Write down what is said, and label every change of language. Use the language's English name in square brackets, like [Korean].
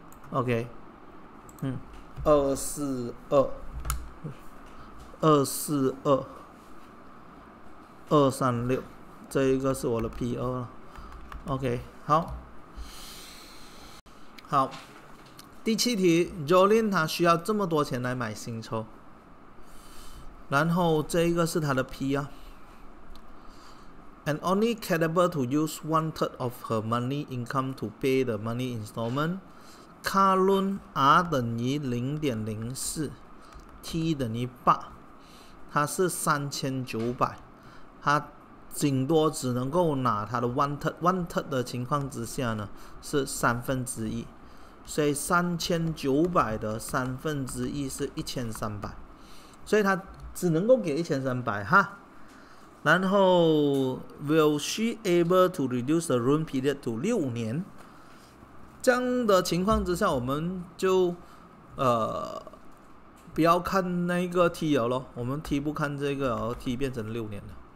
[Chinese] OK， 242236，这一个是我的 PO 了。 OK， 好，第七题 ，Jolin 他需要这么多钱来买新车，然后这一个是他的 P 啊 ， [English] and only capable to use 1/3 of her money income to pay the money installment。 [Chinese] Car loan R 等于 0.04 T 等于8，它是3900，它仅多只能够拿它的 one third 的情况之下呢，是1/3，所以3900的1/3是1300，所以它只能够给1300哈。然后 [English] Will she able to reduce the loan period to 6年？ [Chinese] 这样的情况之下，我们就不要看那个 T 了咯，我们 T 不看这个，然后 T 变成六年了。